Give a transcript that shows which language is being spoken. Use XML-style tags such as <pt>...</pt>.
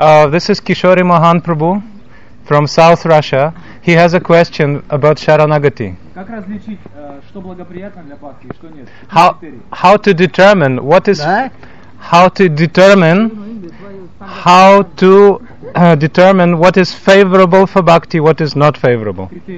<en>This is Kishori Mohan Prabhu from South Russia. He has a question about Sharanagati.</en> <ru>Как различить, что благоприятно для бхакти, что нет?</ru> <en>How to determine what is determine what is favorable for bhakti, what is not favorable?</en>